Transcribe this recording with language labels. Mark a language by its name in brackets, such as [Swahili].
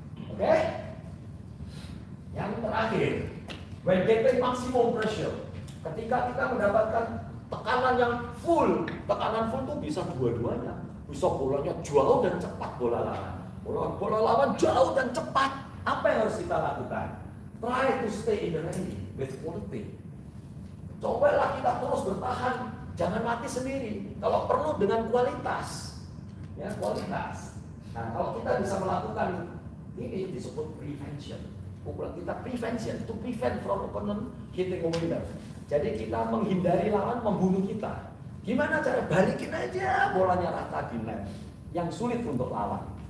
[Indonesian] Oke? Okay? Yang terakhir, [English] when getting maximum pressure, [Indonesian] ketika kita mendapatkan tekanan yang full, tekanan full tuh bisa dua-duanya. Bisa bolanya jauh dan cepat bola lawan. Bola lawan jauh dan cepat. Apa yang harus kita lakukan? [English] Try to stay in the range with quality. [Indonesian] Cobalah kita terus bertahan, jangan mati sendiri. Kalau perlu dengan kualitas, ya kualitas. Nah, kalau kita bisa melakukan ini disebut prevention. Pukulan kita [English] prevention to prevent from opponent hitting winner. [Indonesian] Jadi kita menghindari lawan membunuh kita. Gimana cara balikin aja bolanya rata di net yang sulit untuk lawan.